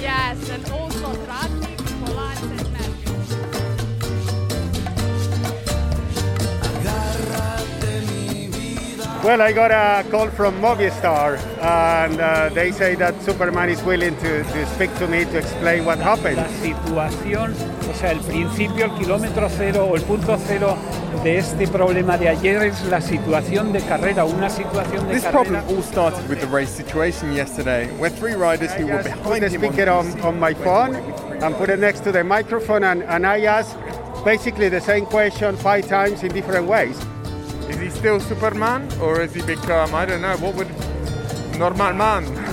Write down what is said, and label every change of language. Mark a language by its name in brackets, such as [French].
[English] Yes, and also Radnik, Polanc and Matthew. Well, I got a call from Movistar, and they say that Superman is willing to speak to me to explain what happened. [Spanish] La situación, o sea, el principio, el kilómetro cero, o el punto cero, de este problema de ayer es la situación de carrera, una situación de [English] This problem all started with the race situation yesterday, where three riders who were behind him put the speaker on my phone and put it next to the microphone, and I asked basically the same question five times in different ways. Is he still Superman, or has he become, I don't know, what would normal man?